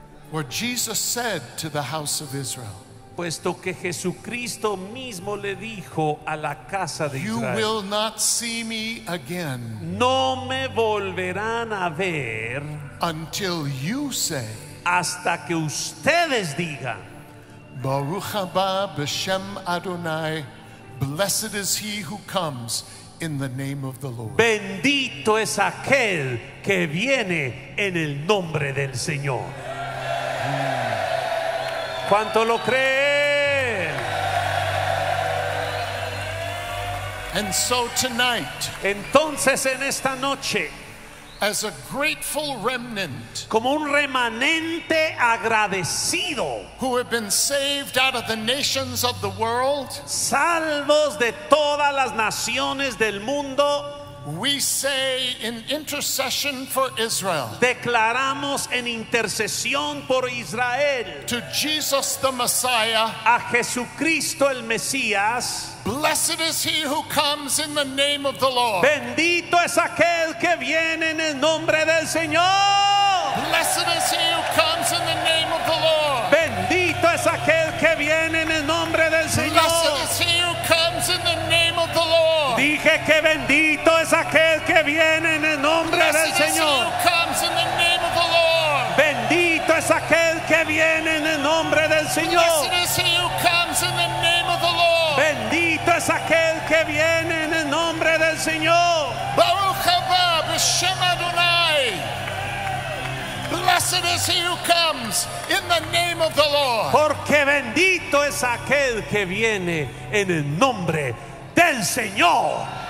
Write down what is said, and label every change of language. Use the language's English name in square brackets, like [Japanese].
[English] For Jesus said to the house of Israel, [Spanish] puesto que Jesucristo mismo le dijo a la casa de Israel, [English] you will not see me again. [Spanish] No me volverán a ver. [English] Until you say, [Spanish] hasta que ustedes digan, [Hebrew] Baruch haba b'shem Adonai, [English] blessed is he who comes in the name of the Lord. [Spanish] Bendito es aquel que viene en el nombre del Señor. ¿Cuánto lo creen? [English] And so tonight, [Spanish] entonces en esta noche, [English] As a grateful remnant, [Spanish] como un remanente agradecido, [English] who have been saved out of the nations of the world, [Spanish] salvos de todas las naciones del mundo, [English] we say in intercession for Israel, [Spanish] declaramos en intercesión por Israel, [English] to Jesus the Messiah, [Spanish] a Jesucristo el Mesías. [English] Blessed is he who comes in the name of the Lord. [Spanish] Bendito es aquel que viene en el nombre del Señor. [English] Blessed is he who comes in the name of the Lord. [Spanish] Bendito es aquel que viene en el nombre del Señor. [English] Blessed is he who comes in the name of the Lord. [Spanish] Dije que bendito es aquel que viene en el nombre del Señor. [English] Blessed is he who comes in the name of the Lord. [Spanish] Bendito es aquel que viene en el nombre del Señor. [English] Blessed is he who comes in the name of the Lord. [Spanish] Bendito es aquel que viene en el nombre del Señor. [Hebrew] Baruch haba b'shem Adonai. [English] Blessed is he who comes in the name of the Lord. [Spanish] Porque bendito es aquel que viene en el nombre del Señor.